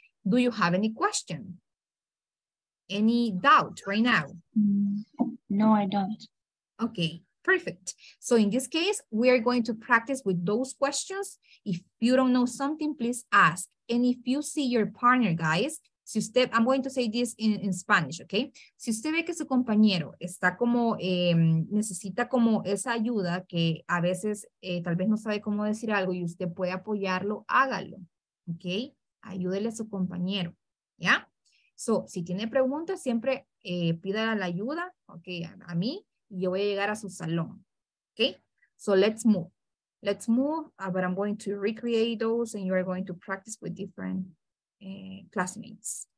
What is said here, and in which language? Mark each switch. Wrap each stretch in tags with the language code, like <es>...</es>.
<en>Do you have any question? Any doubt right now? No, I don't. Okay, Perfect. So in this case, we are going to practice with those questions. If you don't know something, please ask. And if you see your partner, guys,</en> <es>si usted,</es> <en>I'm going to say this in Spanish, okay?</en> <es>Si usted ve que su compañero está como, necesita como esa ayuda que a veces tal vez no sabe cómo decir algo y usted puede apoyarlo, hágalo, okay? Ayúdele a su compañero, ¿ya? So, si tiene preguntas, siempre pida la ayuda, okay, a mí, y yo voy a llegar a su salón, okay?</es> <en>So, let's move. Let's move, but I'm going to recreate those and you are going to practice with different classmates.</en>